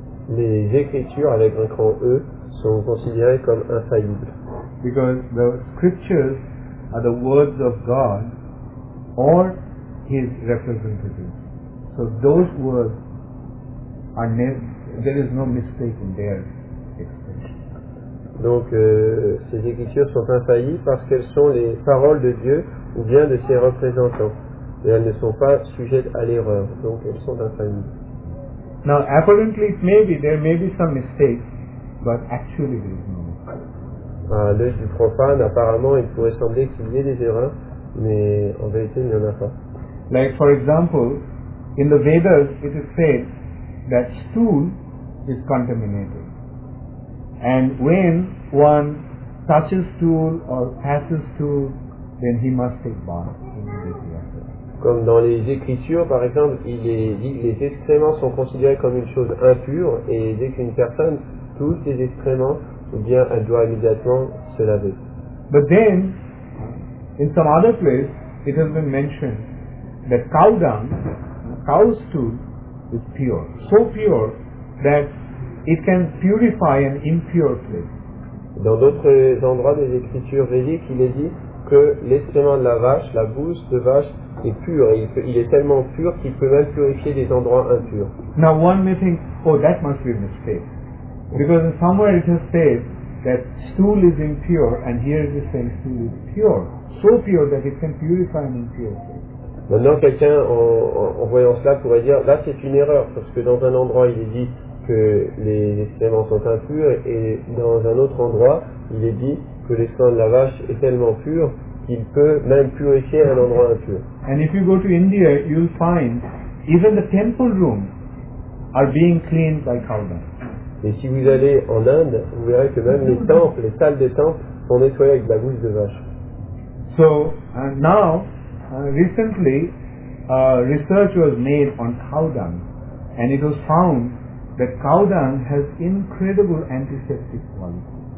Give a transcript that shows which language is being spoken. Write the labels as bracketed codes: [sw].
[fr] Les écritures avec un grand E sont considérés comme infaillibles. [en] Because the scriptures are the words of God or his representatives. So those words are there is no mistake in their expression. [fr] Donc ces écritures sont infaillibles parce qu'elles sont les paroles de Dieu ou bien de ses représentants. Et elles ne sont pas sujettes à l'erreur. Donc elles sont infaillibles. [en] Now apparently it may be, there may be some mistakes, but actually there is no mistake. [fr] À l'œil du profane, apparemment, il pourrait sembler qu'il y ait des erreurs, mais en vérité, il n'y en a pas. [en] Like for example, in the Vedas, it is said that stool is contaminated. And when one touches stool or passes stool, then he must take bath immediately after. [fr] Comme dans les Écritures, par exemple, il est dit que les excréments sont considérés comme une chose impure, et dès qu'une personne touche les excréments, ou bien elle doit immédiatement se laver. [en] But then, in some other place, it has been mentioned that cow dung, cow's stool, is pure, so pure that it can purify an impure place. [fr] Dans d'autres endroits des Écritures védiques, il est dit que l'excrément de la vache, la bouse de vache, est pur. Il est tellement pur qu'il peut même purifier des endroits impurs. [en] Now one may think, oh, that must be a mistake. Because somewhere it has said that stool is impure, and here it is saying stool is pure, so pure that it can purify an impure thing. [fr] Maintenant, quelqu'un en voyant cela pourrait dire, là c'est une erreur, parce que dans un endroit il est dit que les excréments sont impurs, et dans un autre endroit il est dit que l'excrément de la vache est tellement pur qu'il peut même purifier un endroit impur. [en] And if you go to India, you'll find even the temple rooms are being cleaned by cow dung. [fr] Et si vous allez en Inde, vous verrez que même les temples, les salles des temples, sont nettoyées avec de la bouse de vache. [en] So now, recently, research was made on cow dung, and it was found that cow dung has incredible antiseptic qualities.